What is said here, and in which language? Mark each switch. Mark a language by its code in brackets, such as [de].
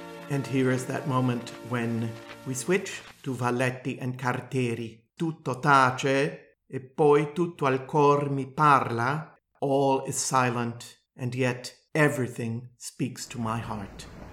[en] And here is that moment when we switch to Valletti and Carteri. [it] Tutto tace, e poi tutto al cor mi parla. [en] All is silent, and yet everything speaks to my heart.